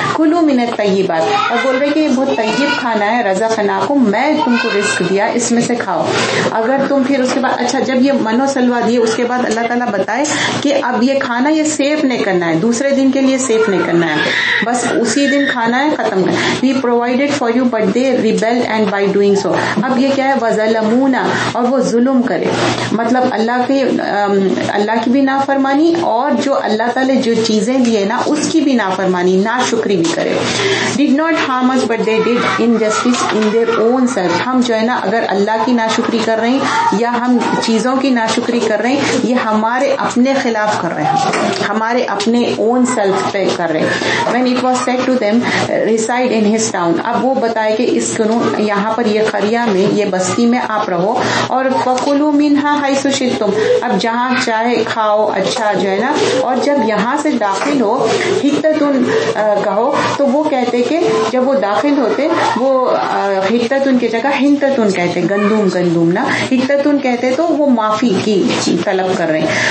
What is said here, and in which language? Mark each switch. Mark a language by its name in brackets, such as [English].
[Arabic] کلو من الطیبات, [Urdu] اور بول رہے کہ یہ بہت طیب کھانا ہے, رزقناکم, میں تم کو رزق دیا, اس میں سے کھاؤ. اگر تم پھر اس کے بعد, اچھا جب یہ من و سلوا دیے اس کے بعد اللہ تعالیٰ بتائے کہ اب یہ کھانا یہ سیف نہیں کرنا ہے, دوسرے دن کے لیے سیف نہیں کرنا ہے, بس اسی دن کھانا ہے, ختم کرنا. [English] We provided for you but they rebel and by doing so. [Urdu] اب یہ کیا ہے, وظلمونا, اور وہ ظلم کرے, مطلب اللہ کی بھی نافرمانی اور جو اللہ تعالیٰ جو چیزیں دیے نا اس کی بھی نافرمانی, نا شکری بھی کرے. [English] Did not harm us but they did injustice in their own self. [Urdu] ہم جو ہے نا اگر اللہ کی نا شکری کر رہے ہیں یا ہم چیزوں کی نا شکری کر رہے ہیں, یہ ہمارے اپنے خلاف کر رہے ہیں, ہمارے اپنے اون سیلف پہ کر رہے ہیں. [English] When it was said to them, reside in his town. [Urdu] اب وہ بتائے کہ اس قانون یہاں پر یہ قریا میں, یہ بستی میں آپ رہو, اور [Arabic] فکلو منہا حیث شئتم, [Urdu] اب جہاں چاہے کھاؤ, اچھا جو ہے نا. اور جب یہاں سے داخل ہو, حتتن کہو, تو وہ کہتے کہ جب وہ داخل ہوتے وہ حتتن کی جگہ ہنتتن کہتے, گندم گندم نا, حتتن کہتے, تو وہ معافی کی طلب کر رہے ہیں.